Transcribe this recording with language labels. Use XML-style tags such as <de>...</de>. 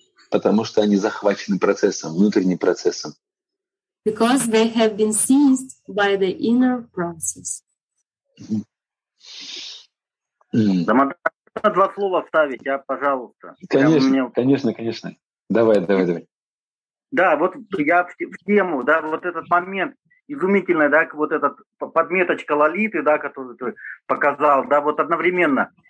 <ru>Потому что они захвачены процессом, внутренним процессом.</ru> <en>Because they have been seized by the inner process.</en> <ru>Можно два слова вставить, а, пожалуйста. Конечно. Давай. Да, вот я в тему, да, вот этот момент изумительный, да, вот этот подметочка Лолиты, да, которую ты показал, да, вот одновременно.</ru>